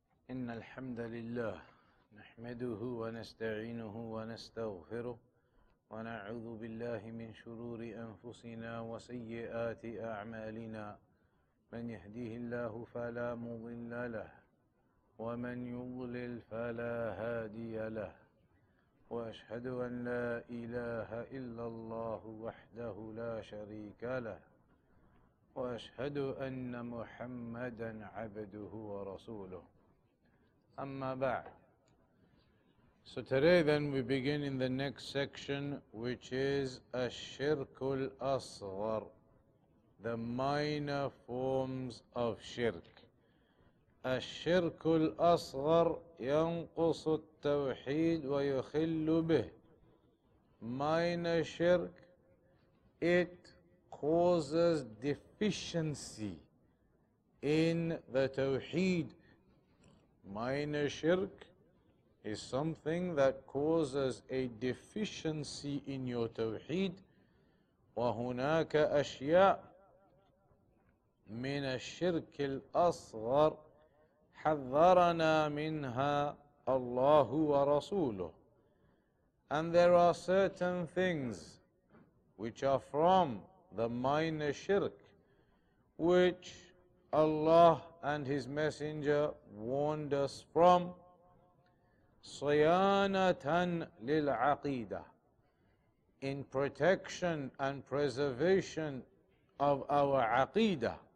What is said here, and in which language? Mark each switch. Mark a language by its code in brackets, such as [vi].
[ar] إن الحمد لله نحمده ونستعينه ونستغفره ونعوذ بالله من شرور أنفسنا وسيئات أعمالنا، من يهديه الله فلا مضل له ومن يضلل فلا هادي له، وأشهد أن لا إله إلا الله وحده لا شريك له، وأشهد أن محمدا عبده ورسوله. أما بعد. [en] So today then we begin in the next section, which is الشرك الأصغر, the minor forms of shirk. [ar] الشرك الأصغر ينقص التوحيد ويخل به. [en] Minor shirk, it causes deficiency in the tawheed. Minor shirk is something that causes a deficiency in your tawheed. [ar] وهناك أشياء من الشرك الأصغر حذرنا منها الله ورسوله. [en] And there are certain things which are from the minor shirk which Allah and His Messenger warned us from. [ar] صِيَانَةً لِلْعَقِيدَةِ, [en] in protection and preservation of our عقيدة.